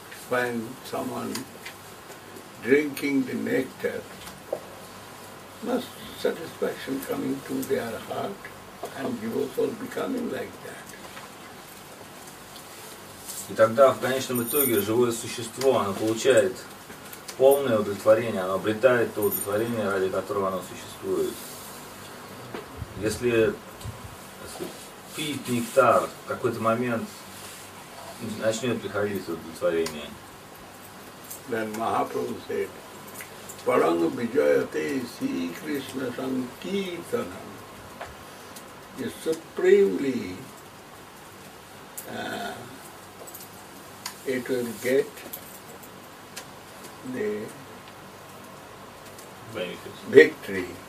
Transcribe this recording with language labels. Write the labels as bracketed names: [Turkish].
[English] When someone drinking the nectar, must satisfaction coming to their heart, and he was all becoming like that. [Russian] И тогда, в конечном итоге, живое существо, оно получает полное удовлетворение, оно обретает то удовлетворение, ради которого оно существует. Если пить нектар, в какой-то момент начнет приходить удовлетворение. [English] Then Mahaprabhu said, [Sanskrit] Paranga Vijayate Si Krishna Sankirtanam [English] is supremely it will get the victory.